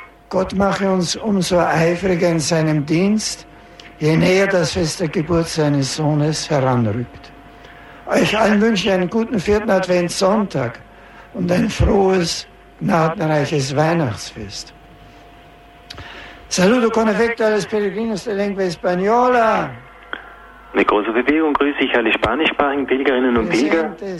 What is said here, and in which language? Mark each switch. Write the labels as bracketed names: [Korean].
[German] Gott mache uns umso eifriger in seinem Dienst, je näher das Fest der Geburt seines Sohnes heranrückt. Euch allen wünsche ich einen guten vierten Adventssonntag und ein frohes, gnadenreiches Weihnachtsfest. [Italian] Saluto con affetto alle pellegrini della lingua spagnola. [German] Mit großer Bewegung grüße ich alle spanischsprachigen Pilgerinnen und Pilger.